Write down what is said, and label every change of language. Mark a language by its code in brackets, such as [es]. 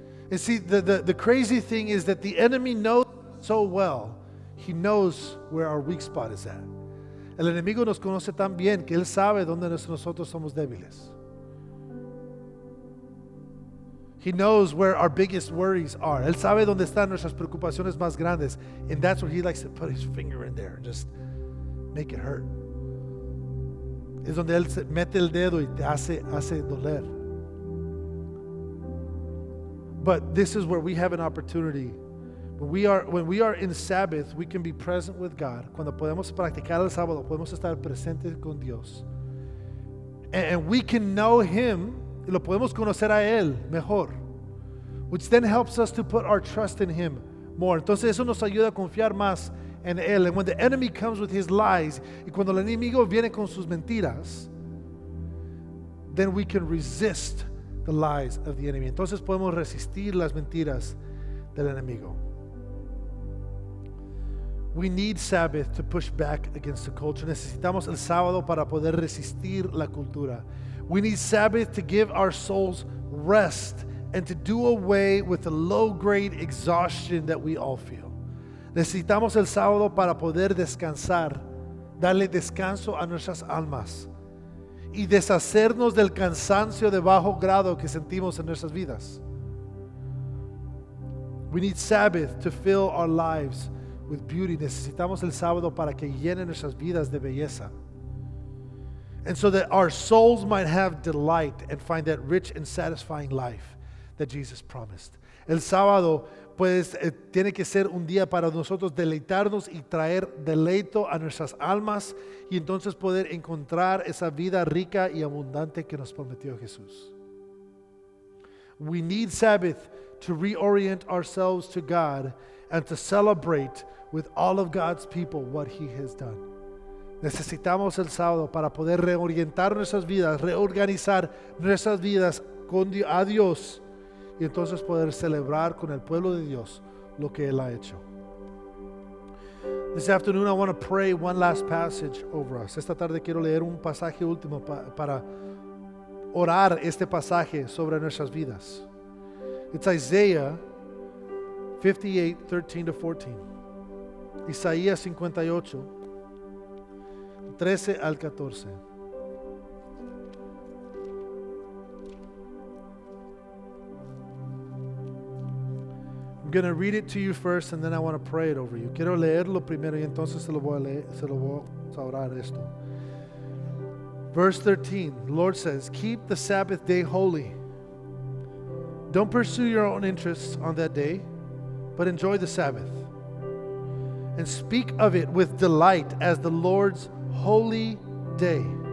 [en] And see, the crazy thing is that the enemy knows so well, he knows where our weak spot is at. [es] El enemigo nos conoce tan bien que él sabe dónde nosotros somos débiles. [en] He knows where our biggest worries are. [es] Él sabe dónde están nuestras preocupaciones más grandes. [en] And that's where he likes to put his finger in there and just make it hurt. [es] Es donde él mete el dedo y te hace doler. [en] But this is where we have an opportunity. When we are in Sabbath, we can be present with God. [es] Cuando podemos practicar el sábado, podemos estar presentes con Dios. [en] And we can know him. [es] Lo podemos conocer a él mejor, [en] which then helps us to put our trust in him more. [es] Entonces eso nos ayuda a confiar más en él. [en] And when the enemy comes with his lies, [es] y cuando el enemigo viene con sus mentiras, [en] then we can resist the lies of the enemy. [es] Entonces podemos resistir las mentiras del enemigo. [en] We need Sabbath to push back against the culture. [es] Necesitamos el sábado para poder resistir la cultura. [en] We need Sabbath to give our souls rest and to do away with the low-grade exhaustion that we all feel. [es] Necesitamos el sábado para poder descansar, darle descanso a nuestras almas y deshacernos del cansancio de bajo grado que sentimos en nuestras vidas. [en] We need Sabbath to fill our lives with beauty. [es] Necesitamos el sábado para que llene nuestras vidas de belleza. [en] And so that our souls might have delight and find that rich and satisfying life that Jesus promised. [es] El sábado pues tiene que ser un día para nosotros deleitarnos y traer deleito a nuestras almas y entonces poder encontrar esa vida rica y abundante que nos prometió Jesús. [en] We need Sabbath to reorient ourselves to God and to celebrate with all of God's people what He has done. [es] Necesitamos el sábado para poder reorientar nuestras vidas, reorganizar nuestras vidas con a Dios y entonces poder celebrar con el pueblo de Dios lo que Él ha hecho. [en] This afternoon I want to pray one last passage over us. [es] Esta tarde quiero leer un pasaje último para orar este pasaje sobre nuestras vidas. [en] It's Isaiah 58:13-14. [es] Isaías 58, 13 al 14. [en] I'm going to read it to you first and then I want to pray it over you. [es] Quiero leerlo primero y entonces se lo voy a orar esto. [en] Verse 13, the Lord says, keep the Sabbath day holy. Don't pursue your own interests on that day, but enjoy the Sabbath. And speak of it with delight as the Lord's holy day.